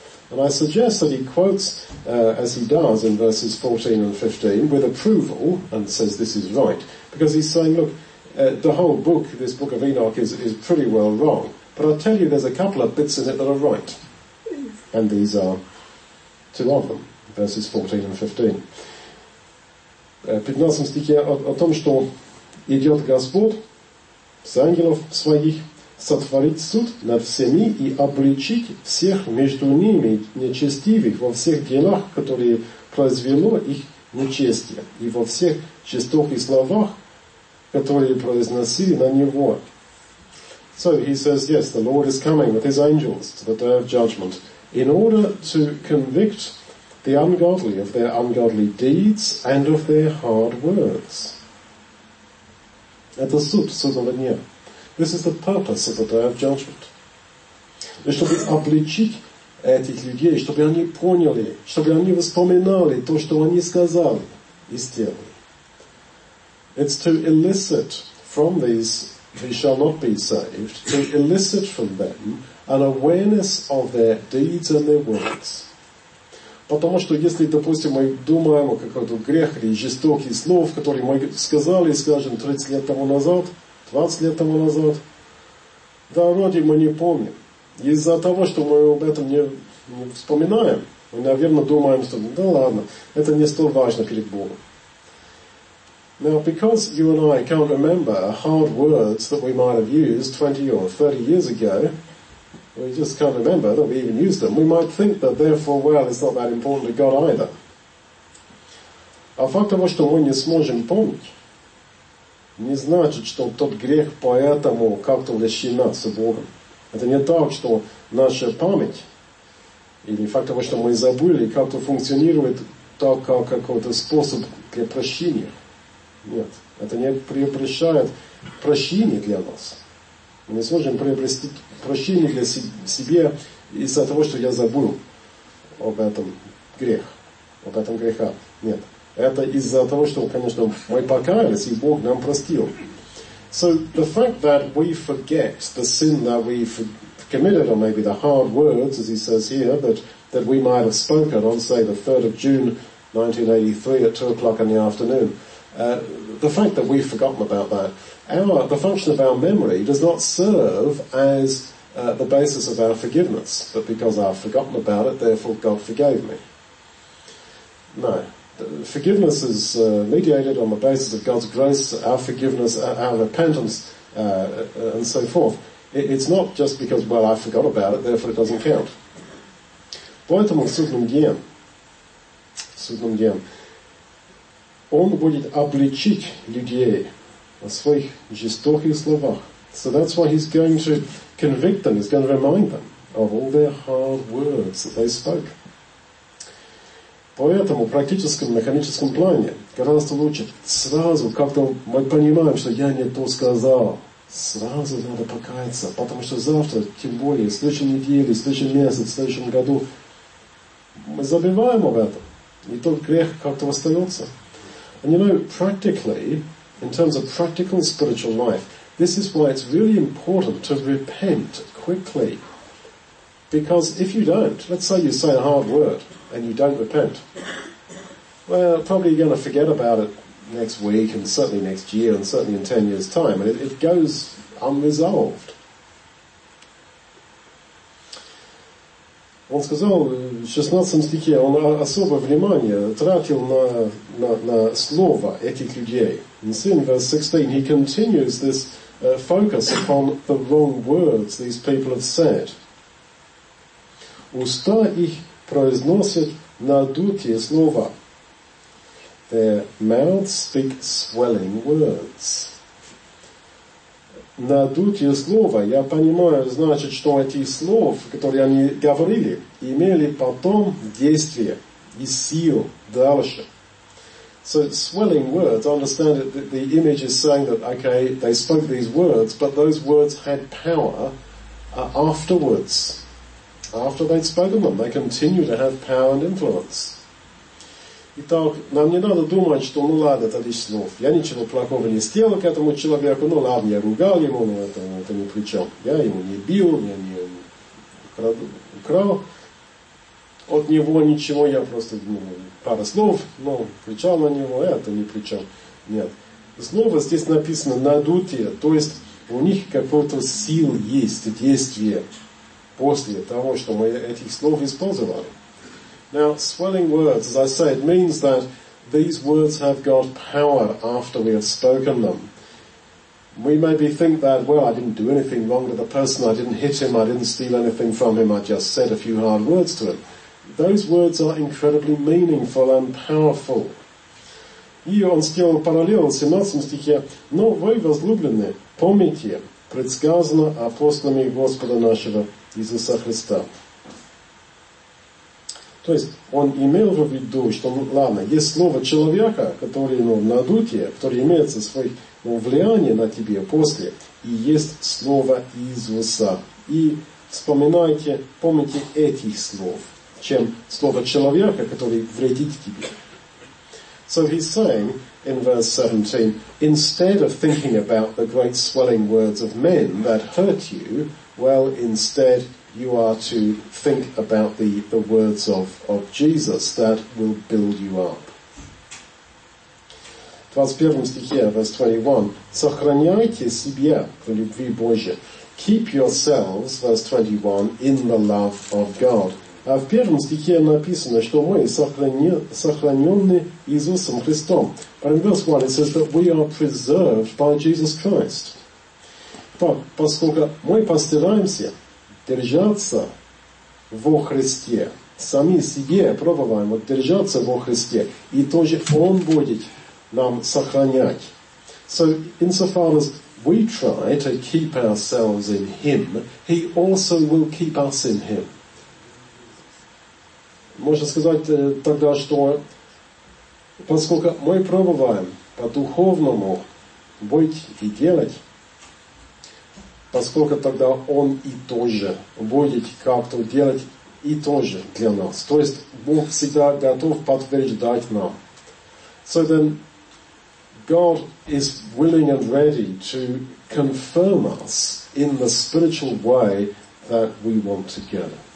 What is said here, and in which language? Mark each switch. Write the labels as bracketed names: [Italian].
[English] And I suggest that he quotes, as he does in verses 14 and 15, with approval, and says this is right. Because he's saying, look, the whole book, this book of Enoch, is pretty well wrong. But I'll tell you, there's a couple of bits in it that are right. And these are two of them, verses 14 and 15. [Russian] В 15 стихе о том, что идет Господь с ангелов своих сотворить суд над всеми и обличить всех между ними нечестивых во всех делах, которые произвело их нечестие, и во всех жестоких словах, которые произносили на него. [English] So he says, yes, the Lord is coming with his angels to the day of judgment in order to convict the ungodly of their ungodly deeds and of their hard words. [Russian] Это суть судного дня. [English] This is the purpose of the day of judgment. [Russian] Чтобы обличить этих людей, чтобы они поняли, чтобы они вспоминали то, что они сказали и сделали. [English] It's to elicit from these who shall not be saved, to elicit from them an awareness of their deeds and their words. [Russian] Потому что если, допустим, мы думаем о каком-то грехе или жестоких слов, которые мы сказали, скажем, 30 лет тому назад, 20 лет тому назад, да, вроде мы не помним. Из-за того, что мы об этом не вспоминаем, мы, наверное, думаем, что да ладно, это не столь важно перед Богом. [English] Now, because you and I can't remember hard words that we might have used 20 or 30 years ago, We just can't remember. I don't even use them. We might think that therefore, well, it's not that important to God either. [Russian] А факт того, что мы не сможем помнить, не значит, что тот грех поэтому как-то влечет с Богом. Это не так, что наша память или факт того, что мы забыли, как-то функционирует так, как какой-то способ для прощения. Нет, это не приобретает прощение для нас. Мы не сможем приобрести прощение для себя из-за того, что я забыл об этом грех, об этом греха. Нет. Это из-за того, что, конечно, мы покаялись, и Бог нам простил. [English] So the fact that we forget the sin that we committed, or maybe the hard words, as he says here, that we might have spoken on, say, the 3rd of June 1983 at 2 o'clock in the afternoon, the fact that we've forgotten about that, the function of our memory does not serve as the basis of our forgiveness, but because I've forgotten about it, therefore God forgave me. No. Forgiveness is mediated on the basis of God's grace, our forgiveness, our repentance, and so forth. It's not just because, well, I forgot about it, therefore it doesn't count. [Russian] Поэтому в судном дне, он будет обличить людей о своих жестоких словах. [English] So that's why he's going to convict them, he's going to remind them of all their hard words that they spoke. [Russian] Поэтому в практическом, механическом плане гораздо лучше сразу, как-то мы понимаем, что я не то сказал, сразу надо покаяться, потому что завтра, тем более, в следующей неделе, в следующем месяце, в следующем году, мы забываем об этом, и тот грех как-то остается. [English] And you know, practically, in terms of practical spiritual life, this is why it's really important to repent quickly. Because if you don't, let's say you say a hard word, and you don't repent, well, probably you're going to forget about it next week, and certainly next year, and certainly in 10 years' time, and it goes unresolved. [Russian] Он сказал в 16 стихе, он особое внимание тратил на слово этих людей. [English] And see in verse 16, he continues this focus upon the wrong words these people have said. [Russian] Уста их произносят надутые слова. [English] Their mouths speak swelling words. [Russian] Надутые слова, я понимаю, значит, что эти слова, которые они говорили, имели потом действие и силу дальше. [English] So swelling words, I understand it, the image is saying that, okay, they spoke these words, but those words had power afterwards. After they'd spoken them, they continue to have power and influence. [Russian] Итак, нам не надо думать, что ну ладно, это лишь слов. Я ничего плохого не сделал к этому человеку. Ну ладно, я ругал ему, но это ни при чем. Я ему не бил, я не украл от него ничего. Я просто пару слов, но кричал на него, это ни при чем. Нет. Слово здесь написано надутие, то есть у них какой-то сил есть, действие. После того, что мы этих слов использовали. [English] Now, swelling words, as I say, it means that these words have got power after we have spoken them. We maybe think that, well, I didn't do anything wrong to the person, I didn't hit him, I didn't steal anything from him, I just said a few hard words to him. Those words are incredibly meaningful and powerful. [Russian] И он сделал параллел в 17 стихе. Но вы, возлюбленные, помните, предсказано апостолами Господа нашего Иисуса Христа. То есть, он имел в виду, что, ладно, есть слово человека, которое, ну, надутие, которое имеет свое влияние на тебе после, и есть слово Иисуса. И вспоминайте, помните этих слов, чем слово человека, который вредит тебе. [English] So he's saying in verse 17, instead of thinking about the great swelling words of men that hurt you, well, instead, you are to think about the words of Jesus that will build you up. [Russian] В 21 стихе, [English] verse 21, [Russian] сохраняйте себя в любви Божьей. [English] Keep yourselves, verse 21, in the love of God. [Russian] А в первом стихе написано, что мы сохранены Иисусом Христом. [English] But in verse 1, it says that we are preserved by Jesus Christ. [Russian] Поскольку мы постараемся, держаться во Христе. Сами себе пробуем вот держаться во Христе. И тоже Он будет нам сохранять. [English] So, insofar as we try to keep ourselves in Him, He also will keep us in Him. [Russian] Можно сказать тогда, что поскольку мы пробуем по-духовному быть и делать, поскольку тогда Он и тоже будет как-то делать и тоже для нас. То есть Бог всегда готов подтверждать нам. [English] So then, God is willing and ready to confirm us in the spiritual way that we want to go.